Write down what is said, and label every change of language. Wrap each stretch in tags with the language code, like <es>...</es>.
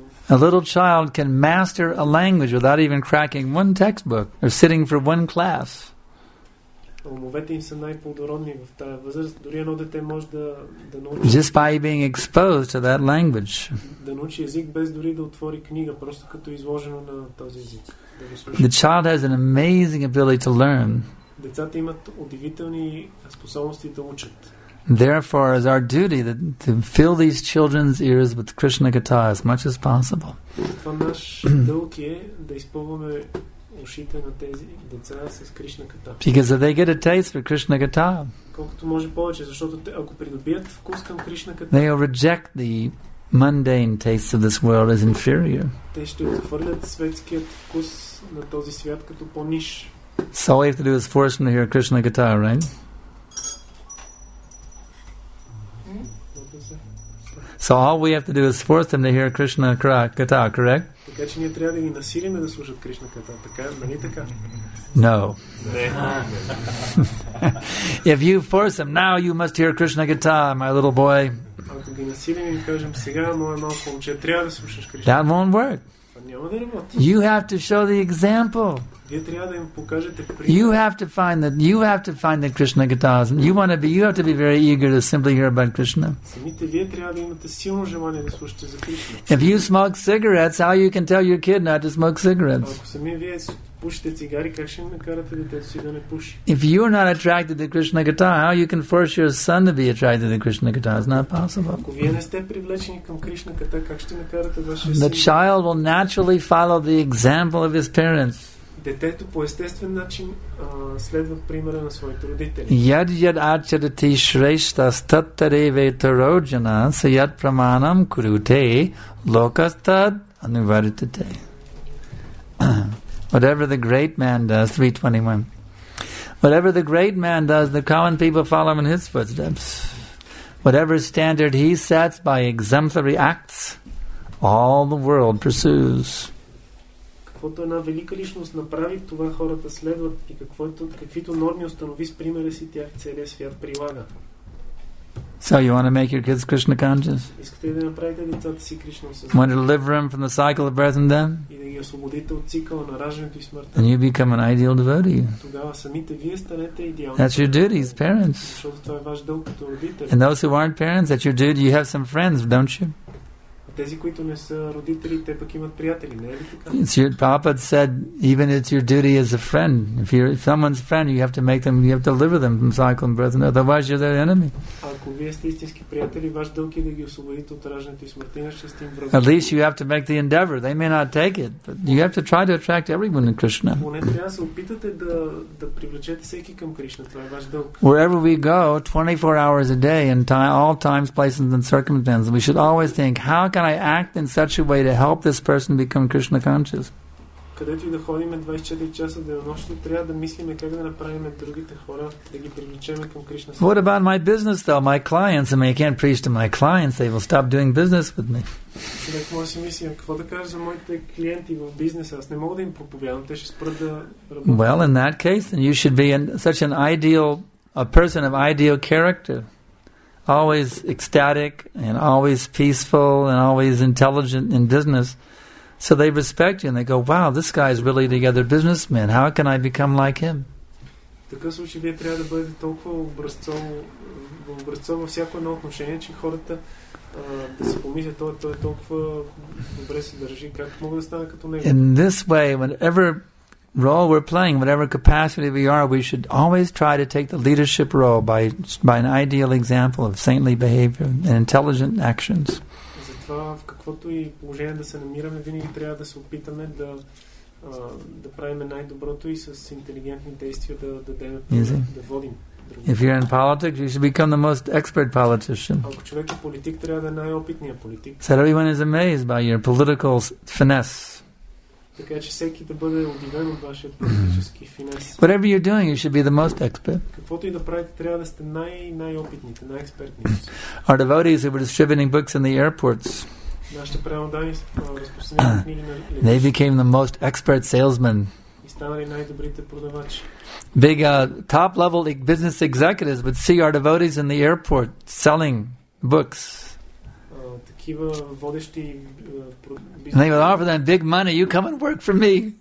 <en>A little child can master a language without even cracking one textbook or sitting for one class.</en> <bg>Умовете им са най-плодородни в тази възраст. Дори едно дете може да научи.</bg> <en>Just by being exposed to that language.</en> <bg>Да научи език без дори да отвори книга, просто като изложено на този език.</bg> <en>The child has an amazing ability to learn.</en> <bg>Децата имат удивителни способности да учат.</bg> <en>Therefore, it's our duty to fill these children's ears with Krishna Katha as much as possible.</en> <bg>Това наш дълг е да изпълваме ушите на тези деца с Кришна Ката.</bg> <en>Because if they get a taste for Krishna Ката,</en> <bg>колкото може повече, защото ако придобият вкус към Кришна Ката,</bg> <en>they will reject the mundane tastes of this world as inferior.</en> <bg>Те ще отхвърлят светският вкус на този свят като по-ниш.</bg> <en>So all you have to do is force them to hear Krishna Ката, right? So all we have to do is force them to hear Krishna Ката, correct?</en> <bg>Така че ние трябва да ги насилиме да слушат Кришна Ката. Така, нали така?</bg> <en>No. If you force them, now you must hear Krishna Ката, my little boy.</en> <bg>Ако ги насилиме и кажем сега, моя малко момче, трябва да слушаш Кришна.</bg> <en>That won't work.</en> <bg>Няма да работи.</bg> <en>You have to show the example.</en> <bg>Вие трябва да им покажете пример.</bg> <en>You have to find that Krishna Ката. You have to be very eager to simply hear about Krishna.</en> <bg>Самите вие трябва да имате силно желание да слушате за Кришна.</bg> <en>If you smoke cigarettes, how you can tell your kid not to smoke cigarettes?</en> <bg>Ако сами вие пушите цигари, как ще накарате детето си да не пуши?</bg> <en>If you are not attracted to Krishna Ката, how you can force your son to be attracted to Krishna Ката? It's not possible.</en> <bg>Ако вие не сте привлечени към Кришна Ката, как ще накарате вашия син?</bg> <en>The child will naturally follow the example of his parents.</en> <bg>Детето по естествен начин следва примера на своите родители.</bg> <sa>Яд яд ачарати шрешта статтаре ветароджана са яд праманам круте локастад анувартите.</sa> <en>Whatever the great man does, 321. Whatever the great man does, the common people follow in his footsteps. Whatever standard he sets by exemplary acts, all the world pursues.</en> <bg>Каквото една велика личност направи, това хората следват и каквито норми установи с примера си, тях целия свят прилага.</bg> <en>So you want to make your kids Krishna conscious?</en> <bg>Искате да направите децата си Кришна осъзнати?</bg> <en>Want to deliver them from the cycle of birth and death?</en> <bg>И да ги освободите от цикъла на раждането и смъртта?</bg> <en>And you become an ideal devotee.</en> <bg>Тогава самите вие станете идеални.</bg> <en>That's your duty as parents.</en> <bg>Защото това е ваш дълг като родители.</bg> <en>And those who aren't parents, that's your duty. You have some friends, don't you?</en> <bg>Тези, които не са родители, те пък имат приятели, не е ли така?</bg> <en>It's your papa said even it's your duty as a friend. If someone's friend, you have to make them, you have to deliver them from cycle and birth and death. Otherwise, you're their enemy.</en> <bg>Ако вие сте истински приятели, ваш дълг е да ги освободите от раждането и смъртта, иначе сте им враг.</bg> <en>At least you have to make the endeavor. They may not take it, but you have to try to attract everyone to Krishna.</en> <bg>Поне трябва да се опитате да привлечете всеки към Кришна. Това е ваш дълг.</bg> <en>Wherever we go, 24 hours a day, in all times, places and circumstances, we should always think, how can I act in such a way to help this person become Krishna conscious?</en> <bg>Където и да ходим 24 часа денонощно, трябва да мислиме как да направим другите хора да ги привлечем към Кришна.</bg> <en>What about my business though? My clients, I mean, I can't preach to my clients, they will stop doing business with me.</en> <bg>Сега какво си мислим? Какво да кажа за моите клиенти в бизнеса? Аз не мога да им проповядам, те ще спрат да работят.</bg> <en>Well, in that case, then you should be a person of ideal character. Always ecstatic and always peaceful and always intelligent in business. So they respect you and they go, wow, this guy is really the other businessman. How can I become like him?</en> <bg>такъв случай вие трябва да бъдете толкова образцово във всяко едно отношение, че хората да се помислят, той е толкова добре се държи, как мога да стане като него.</bg> <en>In this way, whenever role we're playing, whatever capacity we are, we should always try to take the leadership role by an ideal example of saintly behavior and intelligent actions.</en> <bg>Затова в каквото и положение да се намираме, винаги трябва да се опитаме да да правим най-доброто и с интелигентни действия да дадем, да водим.</bg> <en>If you're in politics, you should become the most expert politician.</en> <bg>Ако човек е политик, трябва да е най-опитният политик.</bg> <en>So everyone is amazed by your political finesse.</en> <bg>Така че всеки да бъде удивен от вашия политически финес.</bg> <en>Whatever you're doing, you should be the most expert.</en> <bg>Каквото и да правите, трябва да сте най-опитните, най-експертни.</bg> <en>Our devotees who were distributing books in the airports.</en> <bg>Нашите преводачи разпространяваха книги на летище.</bg> <en>They became the most expert salesmen.</en> <bg>И станали най-добрите продавачи.</bg> <en>Big top level business executives would see our devotees in the airport selling books. And they would offer them big money. You come and work for me.</en>